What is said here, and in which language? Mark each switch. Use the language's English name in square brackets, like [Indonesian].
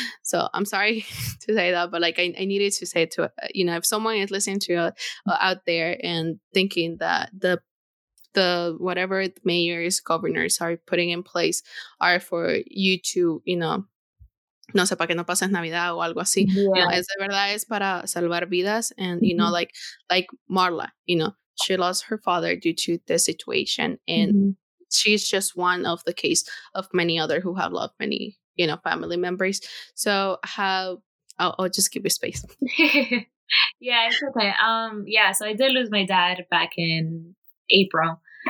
[English] So I'm sorry to say that, but like I needed to say to, you know, if someone is listening to out there and thinking that the whatever mayors, governors are putting in place are for you to, you know, [Spanish] no sé para que no pases Navidad o algo así. [English] Yeah. [Spanish] No, es de verdad, es para salvar vidas. [English] And, you know, like Marla, you know, she lost her father due to this situation, and she's just one of the case of many other who have lost many, you know, family members. So I'll just give you space. Yeah, it's okay. Yeah, so I did lose my dad back in April.